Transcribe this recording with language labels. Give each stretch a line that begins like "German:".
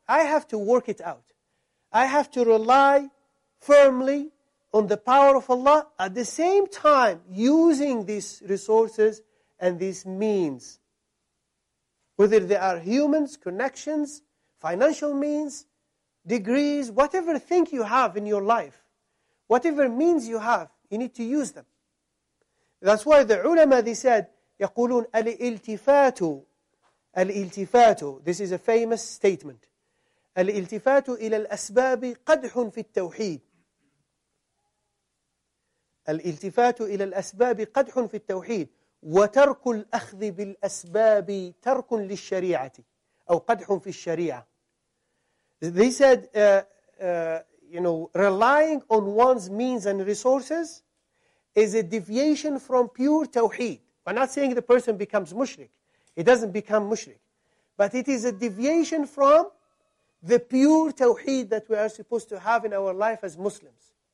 English: I have to work it out. I have to rely firmly on the power of Allah, at the same time using these resources and these means, whether they are humans, connections, financial means, degrees, whatever thing you have in your life, whatever means you have, you need to use them. That's why the ulama, they said,
Arabic: يقولون الالتفات, الالتفات,
English: this is a famous statement.
Arabic: الالتفات إلى الأسباب قدح في التوحيد. الالتفات إلى الأسباب قدح في التوحيد وترك الأخذ بالأسباب ترك للشريعة أو قدح في الشريعة.
English: They said, you know, relying on one's means and resources is a deviation from pure tawheed. We're not saying the person becomes mushrik. He doesn't become mushrik. But it is a deviation from the pure tawheed that we are supposed to have in our life as Muslims.